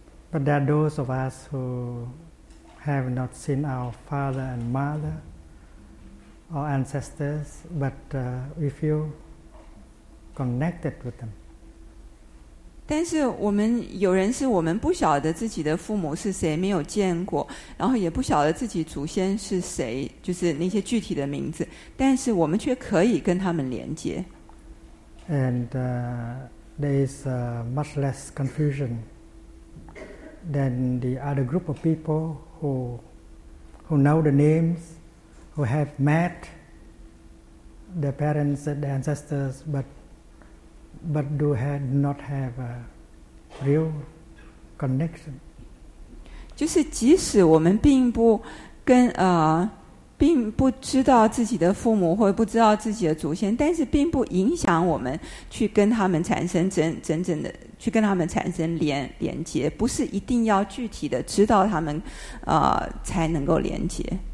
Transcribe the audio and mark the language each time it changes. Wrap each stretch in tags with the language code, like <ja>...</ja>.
<en>But there are those of us who have not seen our father and mother or ancestors, but we feel connected with them.</en> <zh>但是我们有人是我们不晓得自己的父母是谁，没有见过，然后也不晓得自己祖先是谁，就是那些具体的名字，但是我们却可以跟他们连接。</zh> <en>And there is much less confusion than the other group of people who know the names, who have met their parents and their ancestors, but do not have a real connection.</en> <zh>就是即使我们并不跟并不知道自己的父母或不知道自己的祖先，但是并不影响我们去跟他们产生真正的去跟他们产生连接，不是一定要具体的知道他们才能够连接。</zh>